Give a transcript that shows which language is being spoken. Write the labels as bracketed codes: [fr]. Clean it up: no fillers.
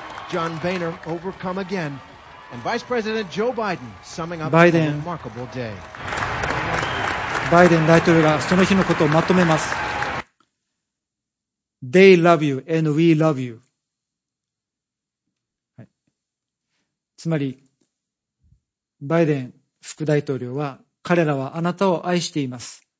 [en] ジョン・ベイナー、overcome again. And Vice President Joe Biden, summing up a remarkable day. [ja] バイデン大統領がその日のことをまとめます。 [en] They love you and we love you、はい。 [ja] つまり、バイデン副大統領は、彼らはあなたを愛しています。